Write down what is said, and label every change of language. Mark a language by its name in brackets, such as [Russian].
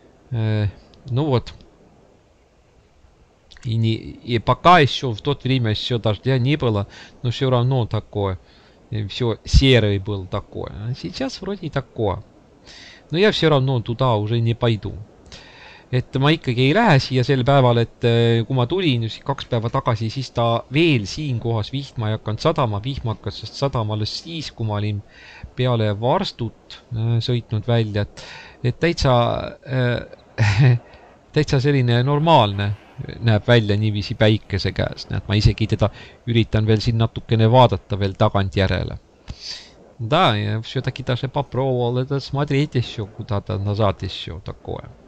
[Russian] Ну вот. И пока еще в то время еще дождя не было, но все равно такое. Все серый был такое. А сейчас вроде такое. Но я все равно туда уже не пойду. [Estonian] Et ma ikkagi ei lähe siia sel päeval, et kui ma tulin just kaks päeva tagasi, siis ta veel siin kohas vihma ei hakkanud sadama. Vihma hakkas sest sadama alles siis, kui ma olin peale varstut sõitnud välja. Et täitsa selline normaalne näeb välja niivisi päikese käes. Näed, ma isegi teda üritan veel siin natukene vaadata veel tagant järele. [Russian] Da, ja все-таки даже попробовал это смотреть еще куда-то назад еще такое.